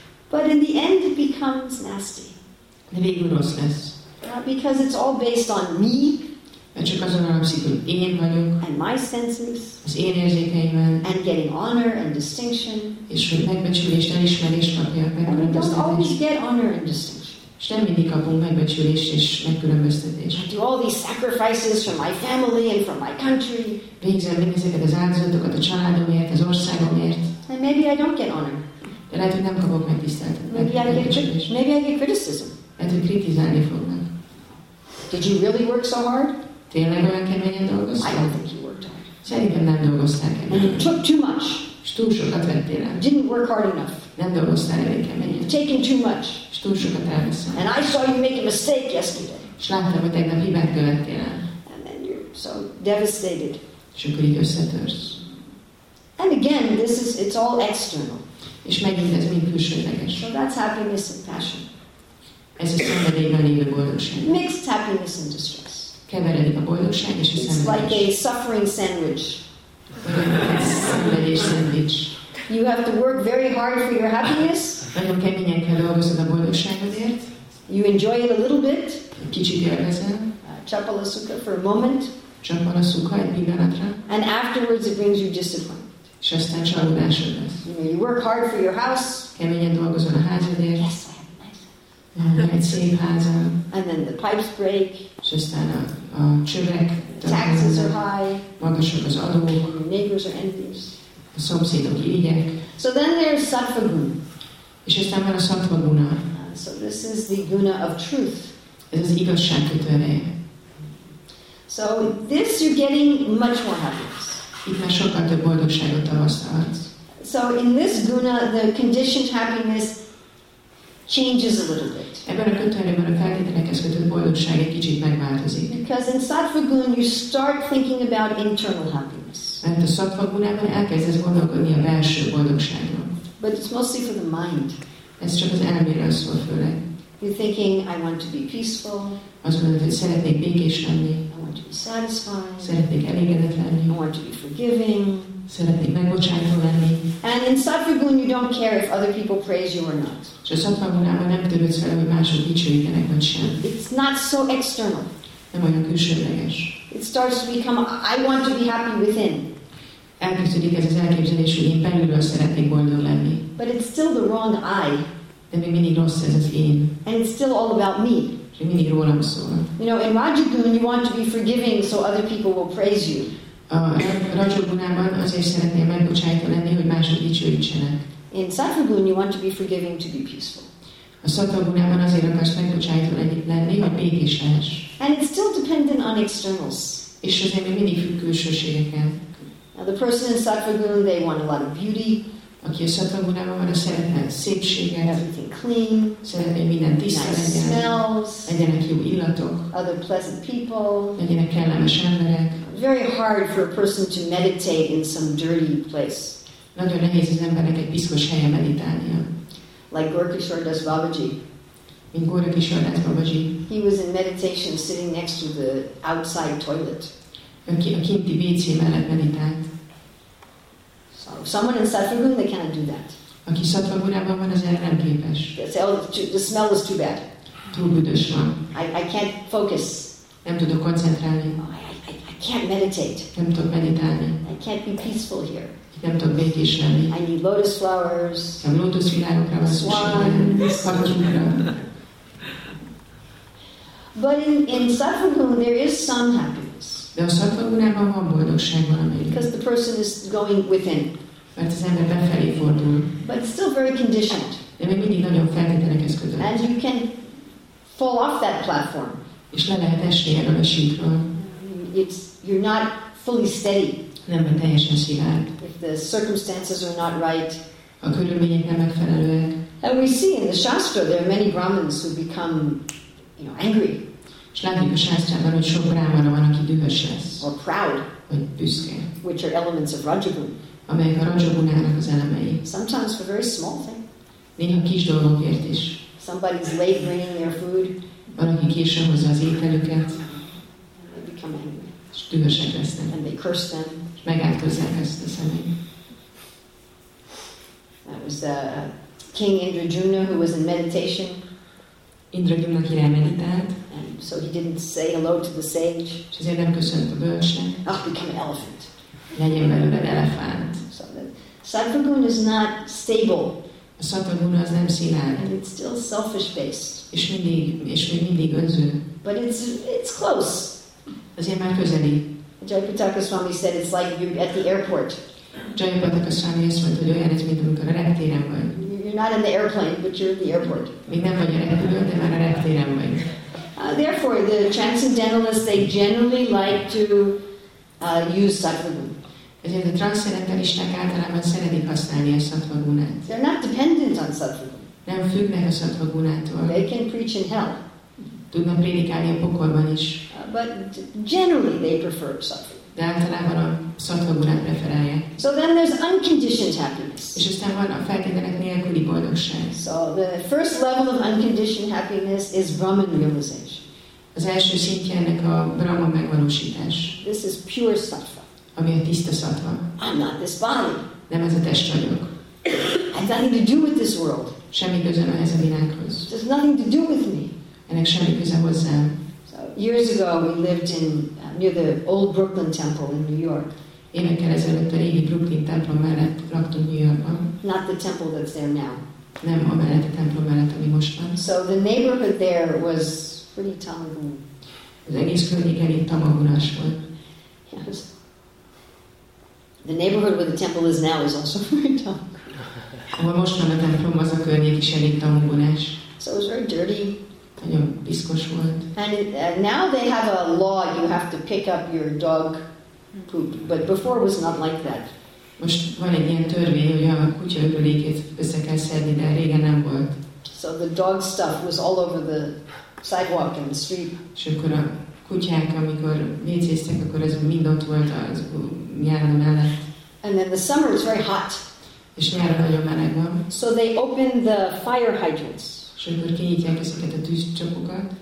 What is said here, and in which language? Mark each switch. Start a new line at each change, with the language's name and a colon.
English: But in the end it becomes nasty.
Hungarian: De végül rossz lesz.
English: Because it's all based on me.
Hungarian: Mert csak azon alapszik, hogy én vagyok.
English: And my senses.
Hungarian: Az én érzékeimmel.
English: And getting honor and distinction.
Hungarian: És hogy megbecsülést, elismerést kapjak meg.
English: And we don't always get honor and distinction.
Hungarian: És nem mindig kapunk megbecsülést és megkülönböztetést.
English: I do all these sacrifices for my family and for my country.
Hungarian: Végzem mindezeket az áldozatokat a családomért, az országomért.
English: And maybe I don't get honor.
Hungarian: De lehet, hogy nem kapok megtiszteltet.
English: Maybe I get criticism.
Hungarian: Lehet, hogy kritizálni fognak.
English: Did you really work so hard?
Hungarian: Tényleg olyan keményen dolgoztál?
English: I don't think you worked hard.
Hungarian: Szerintem nem dolgoztál keményen.
English: And you took too much.
Hungarian: És túl sokat vettél el.
English: Didn't work hard enough.
Hungarian: Nem dolgoztál elég keményen.
English: Taken too much.
Hungarian: És túl sokat elveszel.
English: And I saw you make a mistake yesterday.
Hungarian: És láttam, hogy tegnap hibát követtél el.
English: And then you're so devastated.
Hungarian: És akkor így összetörsz.
English: And again, this is, it's all external.
Hungarian: És megint ez mind külsőleges.
English: So that's happiness and passion.
Hungarian: Ez a szenvedélyben lévő boldogság.
English: Mixed happiness and distress.
Hungarian: Keveredik a boldogság és a szenvedés.
English: It's like a suffering sandwich.
Hungarian: Szenvedés szendvics.
English: You have to work very hard for your happiness.
Hungarian: Nagyon keményen kell dolgozod a boldogságodért.
English: You enjoy it a little bit.
Hungarian: Kicsit élvezel.
English: Csapala szuka for a moment.
Hungarian: Csapala szuka egy pillanatra.
English: And afterwards it brings you discipline.
Hungarian: És aztán csalódásod lesz.
English: You work hard for your house.
Hungarian: Keményen dolgozol a házadért.
English: Yes, I have a nice house.
Hungarian: Egy szép háza.
English: And then the pipes break.
Hungarian: És aztán a csövek.
English: Taxes are high.
Hungarian: Magasak az adók.
English: And the neighbors are envious.
Hungarian: A szomszédok irigyek.
English: So then there's Sattvaguna.
Hungarian: És aztán van a Sattvaguna.
English: So this is the guna of truth.
Hungarian: Ez az igazság kötőereje.
English: So this you're getting much more happiness.
Hungarian: Itt már sokkal több boldogságot tapasztalhatsz.
English: So in this guna, the conditioned happiness changes a little bit.
Hungarian: Ebben a kötőerőben a feltételekhez kötött boldogság egy kicsit megváltozik.
English: Because in Sattvaguna you start thinking about internal happiness.
Hungarian: Mert a Sattvagunában elkezdesz gondolkodni a belső boldogságról.
English: But it's mostly for the mind.
Hungarian: Ez csak az elméről szól főleg.
English: You're thinking, I want to be peaceful.
Hungarian: Azt mondod, hogy szeretnék békés lenni.
English: I want to be satisfied.
Hungarian: Szeretnék elégedett lenni.
English: I want to be forgiving.
Hungarian: Szeretnék megbocsátó lenni.
English: And in Sattvaguna you don't care if other people praise you or not.
Hungarian: És a Sattvagunában nem törődsz vele, hogy mások dicsőítenek vagy sem.
English: It's not so external.
Hungarian: Nem olyan külsőleges.
English: It starts to become, I want to be happy within.
Hungarian: Elkezdődik ez az elképzelés, hogy én belülről szeretnék boldog lenni.
English: But it's still the wrong I.
Hungarian: De még mindig rossz ez az én.
English: And it's still all about me.
Hungarian: És mindig rólam szól.
English: You know, in Rajaguna you want to be forgiving so other people will praise you.
Hungarian: Rajagunában azért szeretnél megbocsájtva lenni, hogy mások dicsőítsenek.
English: In Sattvaguna you want to be forgiving to be peaceful.
Hungarian: A Sattvagunában azért akarsz megbocsájtva lenni, hogy békés lehess.
English: And it's still dependent on externals.
Hungarian: És azért még mindig függ külsőségeken.
English: Now the person in Sattvaguna, they want a lot of beauty.
Hungarian: Aki a Sattvagunában van, a szeretne szépséget.
English: Everything clean.
Hungarian: Szeretné minden tisztel legyen.
English: Nice smells.
Hungarian: Legyenek jó illatok.
English: Other pleasant people.
Hungarian: Legyenek kellemes emberek.
English: Very hard for a person to meditate in some dirty place.
Hungarian: Nagyon nehéz az embernek egy piszkos helyen meditálnia.
English: Like Gorkishore does Babaji. In Gorkishore does Babaji. He was in meditation sitting next to the outside toilet.
Hungarian: A kinti WC mellett meditált.
English: So someone in Sattvaguna, they cannot do that.
Hungarian: Aki Sattvagunában van, az erre nem képes.
English: They say, oh, the smell is too bad.
Hungarian: Túl büdös van.
English: I can't focus.
Hungarian: Nem tudok koncentrálni.
English: I can't meditate.
Hungarian: Nem tudok meditálni.
English: I can't be peaceful here.
Hungarian: Nem tudok békés lenni.
English: I need lotus flowers.
Hungarian: Nem lotus virágokra van szükségem.
English: But in Sattvaguna there is some happiness.
Hungarian: De a Sattvagunában van boldogság valamelyik.
English: Because the person is going within.
Hungarian: Mert az ember befelé fordul.
English: But still very conditioned.
Hungarian: De még mindig nagyon feltételekhez kötött.
English: And you can fall off that platform.
Hungarian: És le lehet esni erről a síkról.
English: It's you're not fully steady.
Hungarian: Nem vagy teljesen szilárd.
English: If the circumstances are not right.
Hungarian: A körülmények nem megfelelőek.
English: And we see in the Shastra there are many Brahmins who become, you know, angry.
Hungarian: És látjuk a Shastrában, hogy sok brahmana van, aki dühös lesz.
English: Or proud.
Hungarian: Vagy büszke.
English: Which are elements of Rajaguna.
Hungarian: Amelyek a Rajagunának az elemei.
English: Sometimes for very small thing.
Hungarian: Néha kis dolgokért is.
English: Somebody's late bringing their food.
Hungarian: Van, aki későn hozza az ételüket.
English: Come
Hungarian: in. És dühösek lesznek.
English: And they curse them.
Hungarian: És megátkozzák ezt a személy.
English: That was King Indrajuna who was in meditation.
Hungarian: Indrajuna király meditált.
English: So he didn't say hello to the sage.
Hungarian: És azért nem köszönt a bölcsnek.
English: Oh, become an elephant.
Hungarian: Legyen belőle elefánt.
English: So Sattvaguna is not stable.
Hungarian: A Sattvaguna az nem szilárd.
English: And it's still selfish based.
Hungarian: És még mindig önző.
English: But it's close.
Hungarian: Azért már közeli.
English: Jayapataka Swami said it's like you're at the airport.
Hungarian: Jayapataka Swami azt mondta, hogy olyan ez, mint amikor a reptéren vagy.
English: You're not in the airplane, but you're at the airport.
Hungarian: Még nem vagy a repülőn, de már a reptéren vagy.
English: Therefore, the transcendentalists, they generally like to use Sattvaguna.
Hungarian: Ezért a transzcendentalisták általában szeretik használni a Sattvagunát.
English: They're not dependent on Sattvaguna.
Hungarian: Nem függnek a Sattvagunától.
English: They can preach in hell.
Hungarian: Tudnak prédikálni a pokolban is.
English: But generally they prefer Sattvaguna.
Hungarian: De általában a Sattvagunát preferálják.
English: So then there's unconditioned happiness.
Hungarian: És aztán van a feltételek nélküli boldogság.
English: So the first level of unconditioned happiness is Brahman realization.
Hungarian: Az első szintje ennek a Brahma megvalósítás.
English: This is pure Sattva.
Hungarian: Ami a tiszta Sattva.
English: I'm not this body.
Hungarian: Nem ez a test vagyok.
English: I have nothing to do with this world.
Hungarian: Semmi közön ehhez a világhoz.
English: There's nothing to do with me.
Hungarian: Ennek semmi köze hozzám.
English: Years ago, we lived in near the old Brooklyn Temple in New York.
Hungarian: Évekkel ezelőtt a régi Brooklyn templom mellett laktunk New Yorkban.
English: Not the temple that's there now.
Hungarian: nem a mellett, a templom mellett, ami most van.
English: So the neighborhood there was pretty tamagun.
Hungarian: Az egész környéken itt tamagunás volt.
English: Yes. The neighborhood where the temple is now is also very tamagun.
Hungarian: Ahol most van a templom, az a környék is elég tamagunás.
English: So it was very dirty.
Hungarian: Nagyon piszkos volt.
English: And now they have a law, you have to pick up your dog poop. But before it was not like that.
Hungarian: Most van egy ilyen törvény, hogy a kutya öbölékét össze kell szedni, de régen nem volt.
English: So the dog stuff was all over the sidewalk and the street.
Hungarian: És akkor a kutyák, amikor vécéztek, akkor ez mind ott volt az járda mellett.
English: And then the summer is very hot.
Hungarian: És nyáron nagyon meleg van.
English: So they opened the fire hydrants.
Hungarian: És akkor kinyitják ezeket a tűzcsapokat.